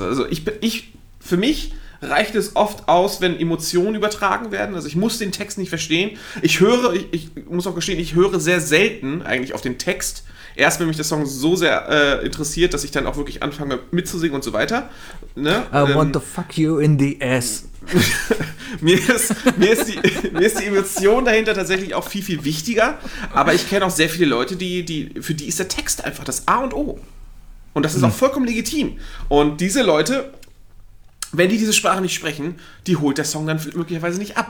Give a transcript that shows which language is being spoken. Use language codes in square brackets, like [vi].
[de] Also, ich für mich reicht es oft aus, wenn Emotionen übertragen werden. Also ich muss den Text nicht verstehen. Ich höre, ich muss auch gestehen, ich höre sehr selten eigentlich auf den Text. Erst wenn mich der Song so sehr interessiert, dass ich dann auch wirklich anfange mitzusingen und so weiter. Ne? [en] I want to fuck you in the ass. [de] mir ist die Emotion dahinter tatsächlich auch viel, viel wichtiger. Aber ich kenne auch sehr viele Leute, für die ist der Text einfach das A und O. Und das ist auch vollkommen legitim. Und diese Leute, wenn die diese Sprache nicht sprechen, die holt der Song dann möglicherweise nicht ab.